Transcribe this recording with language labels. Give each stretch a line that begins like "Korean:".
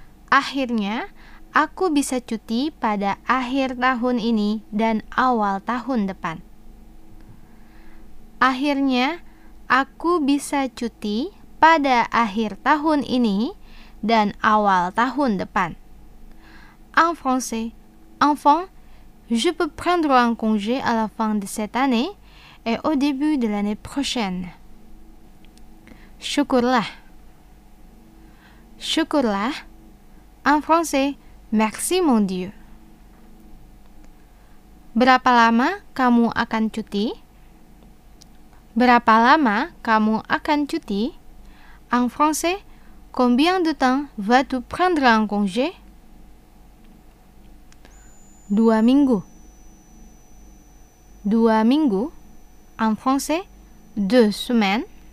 Indonesian: Akhirnya, aku bisa cuti pada akhir tahun ini dan awal tahun depan. Akhirnya, aku bisa cuti pada akhir tahun ini dan awal tahun depan.
French: En français, enfin, je peux prendre un congé à la fin de cette année et au début de l'année prochaine.
Indonesian: Syukurlah. Syukurlah.
French: En français, merci mon Dieu.
Indonesian: Berapa lama kamu akan cuti? Berapa lama kamu akan cuti?
French: En français, combien de temps vas-tu prendre un congé?
Indonesian: 2 minggu. 2 minggu.
French: En français, 2 semaines.